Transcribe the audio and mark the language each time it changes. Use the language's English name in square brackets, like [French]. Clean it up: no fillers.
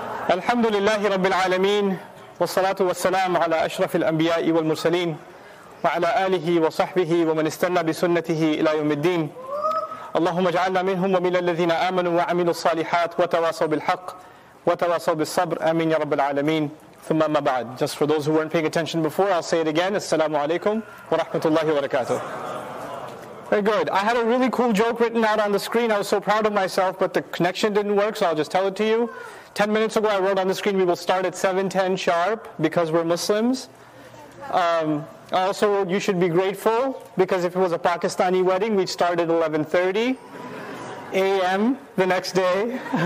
[Arabic] الحمد لله رب العالمين، والصلاة والسلام على أشرف الأنبياء والمرسلين وعلى آله وصحبه ومن استنى بسنته إلى يوم الدين. اللهم اجعلنا منهم ومن الذين آمنوا وعملوا الصالحات وتواصوا بالحق وتواصوا بالصبر، آمين يا رب العالمين. ثم ما بعد. [English] Just for those who weren't paying attention before, I'll say it again. [Arabic] السلام عليكم ورحمة الله وبركاته. [English] Very good. I had a really cool joke written out on the screen. I was so proud of myself, but the connection didn't work, so I'll just tell it to you. 10 minutes ago, I wrote on the screen, we will start at 7:10 sharp because we're Muslims. Also, you should be grateful because if it was a Pakistani wedding, we'd start at 11:30 a.m. the next day.